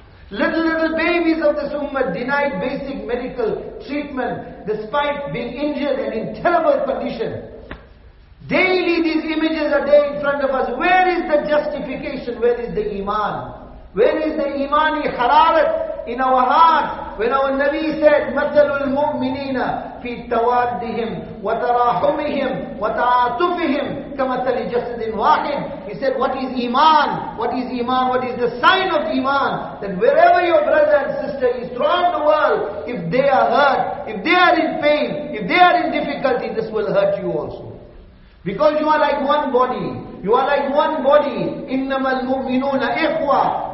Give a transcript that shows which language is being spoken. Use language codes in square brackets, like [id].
[en] Little babies of this ummah denied basic medical treatment despite being injured and in terrible condition. Daily these images are there in front of us. Where is the justification? Where is the iman? Where is the imani hararat in our heart? When our Nabi said, [ar] مَثَلُ الْمُؤْمِنِينَ فِي تَوَادِّهِمْ وَتَرَاحُمِهِمْ وَتَعَاتُفِهِمْ كَمَثَلِ جَسَدٍ وَاحِدٍ. [en] He said, what is iman? What is iman? What is the sign of iman? That wherever your brother and sister is throughout the world, if they are hurt, if they are in pain, if they are in difficulty, this will hurt you also. Because you are like one body. You are like one body. [ar] إِنَّمَا الْمُؤْمِنُونَ إِخْوَى.